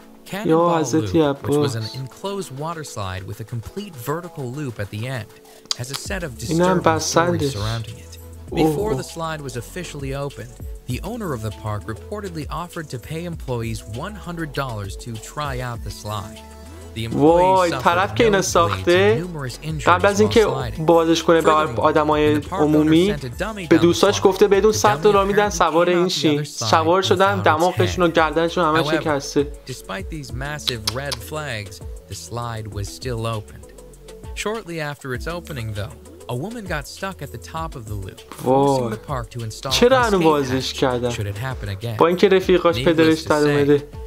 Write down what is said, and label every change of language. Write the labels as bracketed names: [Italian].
[English] Cannonball Loop, which was an enclosed water slide with a complete vertical loop at the end, has a set of disturbing stories surrounding it. Before the slide was officially opened, the owner of the park reportedly offered to pay employees $100 to try out the slide. The employees [Persian] طرف که اینو ساخته قبل از اینکه بازش کنه به آدمای عمومی به دوستاش گفته بدون $100 میدن سوار این شین. سوار شدن دماغشون و گردنشون همه شکسته. [English] Despite these massive red flags, the slide was still opened. Shortly after its opening though, a woman got stuck at the top of the loop, forcing the park to install [Persian] چرا اینو بازش کردن با اینکه رفیقاش پدرش دادمده.